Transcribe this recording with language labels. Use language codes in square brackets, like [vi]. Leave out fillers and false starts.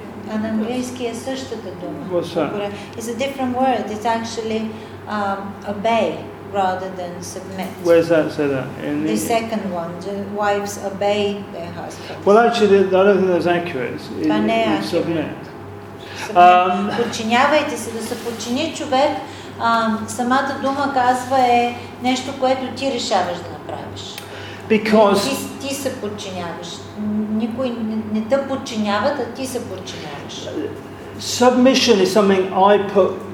[bg] А на английски е същата дума. [en] What's that? It's a different word. It's actually obey rather than submit. Where's that say that? In the second one, the wives obey their husbands. Well, actually, I don't think that's accurate. Submit. [bg] Подчинявайте се, да се подчини човек. Самата дума казва е нещо, което ти решаваш да направиш. [en] Because [bg] ти се подчиняваш. Никой не те подчинява, а ти се подчиняваш. [en] Submission is something I put.